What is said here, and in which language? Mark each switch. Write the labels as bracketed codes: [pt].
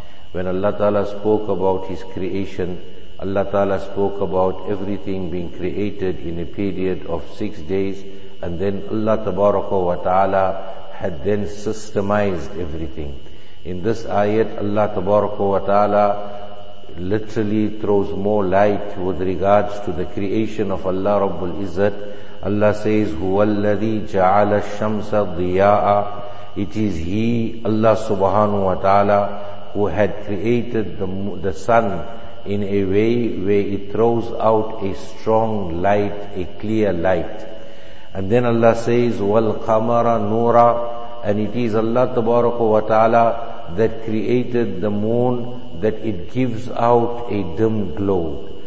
[en] When Allah Ta'ala spoke about His creation, Allah Ta'ala spoke about everything being created in a period of 6 days, and then Allah Tabaraka wa Ta'ala had then systemized everything. In this ayat, Allah Tabaraka wa Ta'ala literally throws more light with regards to the creation of Allah Rabbul Izzat. [ar] Allah says, هو الذي جعل الشمس ضياء. [en] It is He, Allah Subhanahu wa Ta'ala, who had created the sun in a way where it throws out a strong light, a clear light. [ar] And then Allah says, وَالْقَمَرَ نُورًا. [en] And it is Allah Tabaraka wa Ta'ala that created the moon, that it gives out a dim glow.